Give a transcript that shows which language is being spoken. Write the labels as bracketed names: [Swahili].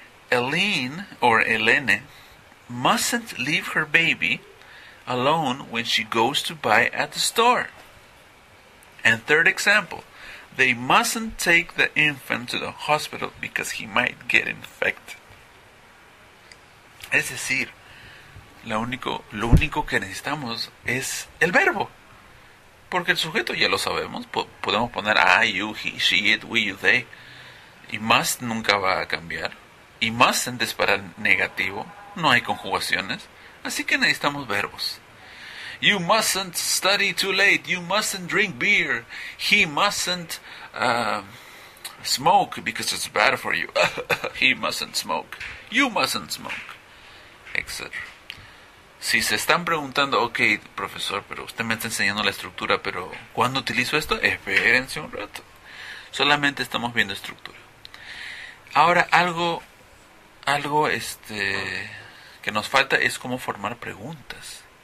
[English] Eileen or Elene mustn't leave her baby alone when she goes to buy at the store. And third example. They mustn't take the infant to the hospital because he might get infected. [Spanish] Es decir, lo único que necesitamos es el verbo. Porque el sujeto ya lo sabemos. Podemos poner I, you, he, she, it, we, you, they. Y must nunca va a cambiar. Y mustn't es para negativo. No hay conjugaciones. Así que necesitamos verbos. [English] You mustn't study too late. You mustn't drink beer. He mustn't smoke because it's bad for you. He mustn't smoke. You mustn't smoke. Etc. [Spanish] Si se están preguntando, ok, profesor, pero usted me está enseñando la estructura, pero ¿cuándo utilizo esto? Espérense un rato. Solamente estamos viendo estructura. Ahora, algo que nos falta es cómo formar preguntas.